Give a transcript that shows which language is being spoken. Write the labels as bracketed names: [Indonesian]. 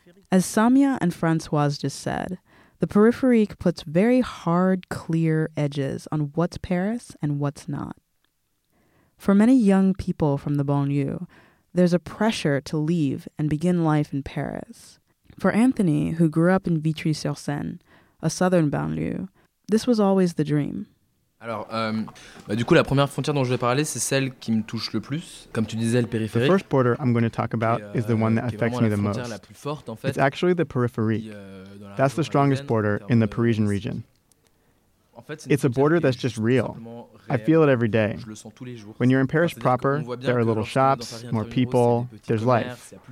[English] As Samia and Françoise just said, the périphérique puts very hard, clear edges on what's Paris and what's not. For many young people from the banlieue, there's a pressure to leave and begin life in Paris. For Anthony, who grew up in Vitry-sur-Seine, a southern banlieue, this was always the dream. [French] Alors, du coup, la première frontière dont je vais parler, c'est celle qui me touche le plus. Comme tu disais, le périphérique. [English] The first border I'm going to talk about is the one that affects me the most. [French] La plus forte, en fait. [English] It's actually the périphérique. That's the strongest border in the Parisian region. [French] En fait, [English] it's a border that's just real. I feel it every day. When you're in Paris proper, there are little shops, more people, there's life.